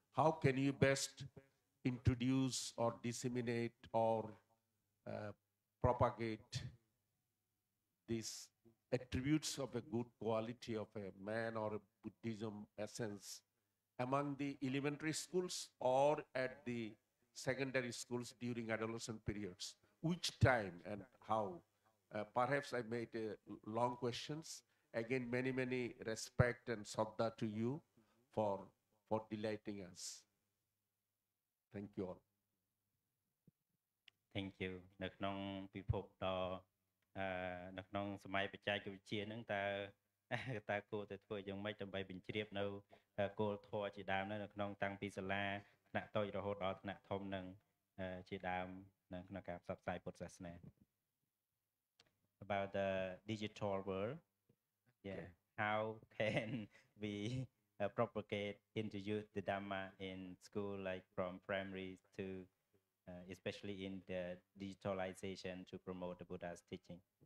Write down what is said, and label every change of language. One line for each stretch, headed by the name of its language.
English: How can you best introduce or disseminate or propagate these attributes of a good quality of a man or a Buddhism essence among the elementary schools or at the secondary schools during adolescent periods? Which time and how? Perhaps I made long questions. Again, many, many respect and saddha to you for delighting us. Thank you all. Thank you.
Khmer: នៅក្នុង ពិភព ដ៏ នៅក្នុង សម័យ បច្ចេកទេស វិទ្យា ហ្នឹង តើ គួរ តែ ធ្វើ យ៉ាង ម៉េច ដើម្បី បញ្ជ្រាប នៅ គោល ធម៌ ជា ដើម នៅ ក្នុង តាំង ពី សាលា ថ្នាក់ តូច រហូត ដល់ ថ្នាក់ ធំ នឹង ជា ដើម នៅ ក្នុង ការ ផ្សព្វផ្សាយ ពុទ្ធ សាសនា
English: About the digital world. Yeah. How can we propagate, introduce the Dhamma in school, like from primary to, especially in the digitalization to promote the Buddha's teaching?